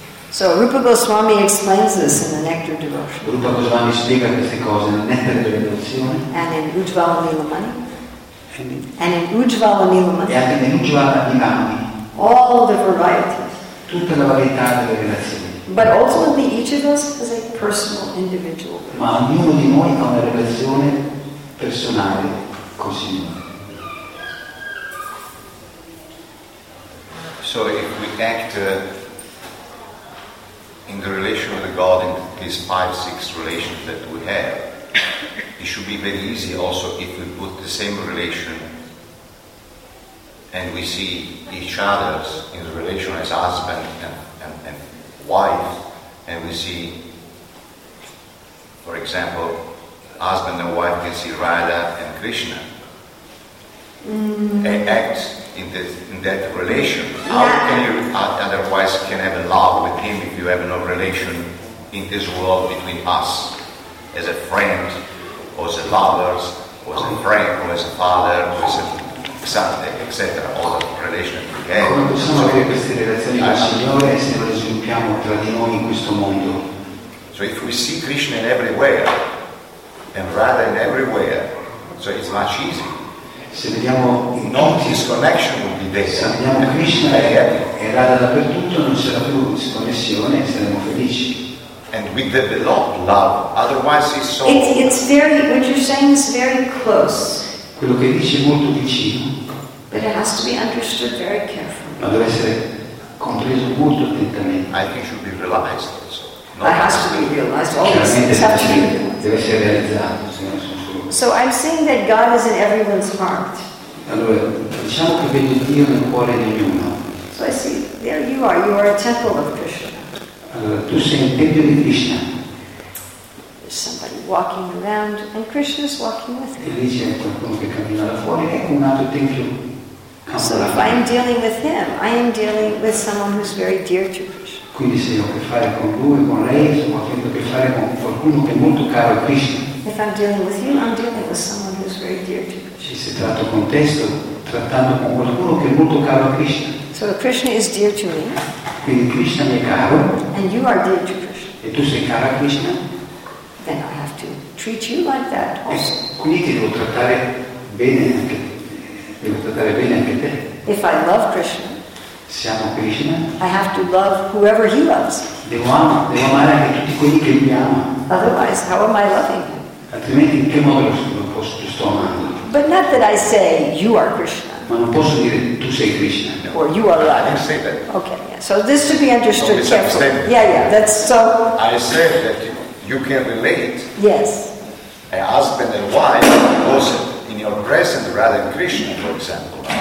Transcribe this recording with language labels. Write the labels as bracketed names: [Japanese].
[English] So Rupa Goswami explains this in the Nectar Devotion. [Italian] Rupa Goswami spiega queste cose nel Nectar della Devozione. [English] And in Ujjvala Nilamani. And in Ujjvala Nilamani. [Italian] E anche in Ujjvala Nilamani. [English] All the varieties. [Italian] Tutta la varietà delle relazioni. [English] But ultimately, each of us is a personal individual. [Italian] Ma ognuno di noi ha una relazione personale con il Signore. [English] So if we act in the relation with God in these 5-6 relations that we have, it should be very easy also if we put the same relation and we see each other in the relation as husband and wife, and we see, for example, husband and wife can see Radha and Krishna. Mm-hmm. Act in that relation. How yeah. can you otherwise can have a love with him if you have no relation in this world between us, as a friend, or as a lover, or as a friend, or as a father, or as a something, etc. All the relations we have. [Italian] Come possiamo avere queste relazioni con il Signore se lo sviluppiamo tra di noi in questo mondo? [English] So if we see Krishna in everywhere, and rather in everywhere, so it's much easier. [Italian] Se vediamo in tutti, [English] his connection would be there. [Italian] Se vediamo Krishna e rada dappertutto, non sarà più disconnessione e saremo felici. [English] And with the beloved love, otherwise it's so... It's very, what you're saying is very close. [Italian] Quello che dici è molto vicino. [English] But it has to be understood very carefully. [Italian] Ma deve essere compreso molto attentamente. [English] I think it should be realized also. It has to be realized. All these things have to be realized. [Italian] Deve essere realizzato. [English] So I'm saying that God is in everyone's heart. [Italian] Allora, diciamo che vedo Dio nel cuore di ognuno. [English] So I see, there you are a temple of Krishna. [Italian] Allora, tu sei il tempio di Krishna. [English] There's somebody walking around and Krishna is walking with him. [Italian] E lì c'è qualcuno che cammina da fuori e un altro tempio. [English] So if I'm dealing with him, I am dealing with someone who's very dear to Krishna. [Italian] Quindi se ho a che fare con lui, con lei, sono facendo a che fare con qualcuno che è molto caro a Krishna. [English] If I'm dealing with you, I'm dealing with someone who's very dear to Krishna. [Italian] Ci si tratta con te, sto trattando con qualcuno che è molto caro a Krishna. [English] So Krishna is dear to me. [Italian] Quindi Krishna mi è caro. [English] And you are dear to Krishna. [Italian] E tu sei caro a Krishna. [English] Then I have to treat you like that also. [Italian] Quindi ti devo trattare bene anche te. Devo trattare bene anche te. [English] If I love Krishna, [Italian] se amo Krishna, [English] I have to love whoever he loves. [Italian] Devo amare anche tutti quelli che mi ama. [English] Otherwise, how am I loving him? [Italian] Altrimenti in che modo lo posso, sto amando? [English] But not that I say you are Krishna. [Italian] Ma non posso dire tu sei Krishna. [English] No. Or you are Radha. I say that. Okay, yeah. So this should be understood carefully. No, yeah, yeah. That's so. I said that you can relate. Yes. A husband and wife also in your presence rather than Krishna, for example.